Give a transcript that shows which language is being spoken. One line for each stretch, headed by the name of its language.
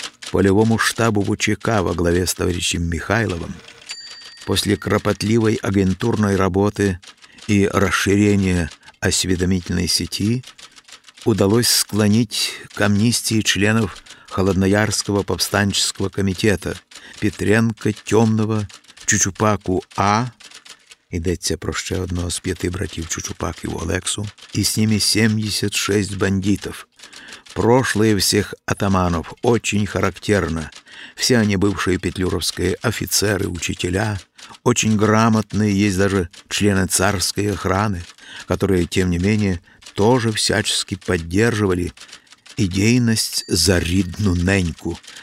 Russian: полевому штабу ВЧК во главе с товарищем Михайловым, после кропотливой агентурной работы и расширения осведомительной сети, удалось склонить к амнистии членов Холодноярского повстанческого комитета Петренко, Темного, Чучупаку А.
Ukrainian: Йдеться про ще одного з п'яти братів Чучупаків Олексу, і з ними 76 бандитів.
Russian: Прошлые всех атаманов, очень характерно. Все они бывшие петлюровские офицеры, учителя, очень грамотные, есть даже члены царской охраны, которые, тем не менее, тоже всячески поддерживали идейность
Ukrainian: за рідну неньку.